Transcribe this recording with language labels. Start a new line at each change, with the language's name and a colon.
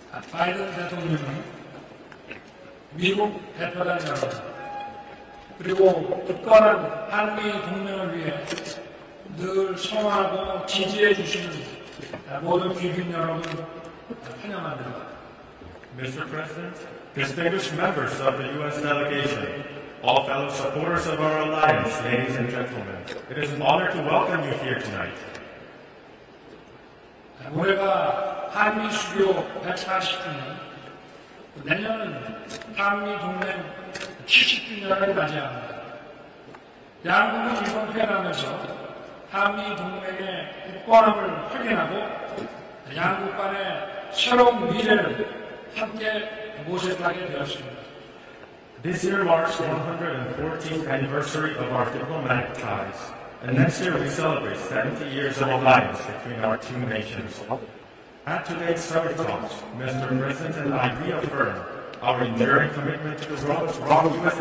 Korean: 바이든 대통령은 미국 대표단이라고 그리고 굳건한 한미 동맹을 위해 늘 성원하고 지지해 주시는 모든 귀빈 여러분 환영합니다.
English: Mr. President, distinguished members of the U.S. delegation, all fellow supporters of our alliance, ladies and gentlemen, it is an honor to welcome you here tonight.
Korean: 올해가 한미 수교 140주년, 내년은 한미 동맹 70주년을 맞이합니다. 양국은 이번 회담에서 한미 동맹의 굳건함을 확인하고 양국 간의 새로운 미래를 함께 모색하게 되었습니다.
English: This year marks the 114th anniversary of our diplomatic ties, and next year we celebrate 70 years of alliance between our two nations. At today's summit talks, Mr. President and I reaffirm our enduring commitment to the strong U.S.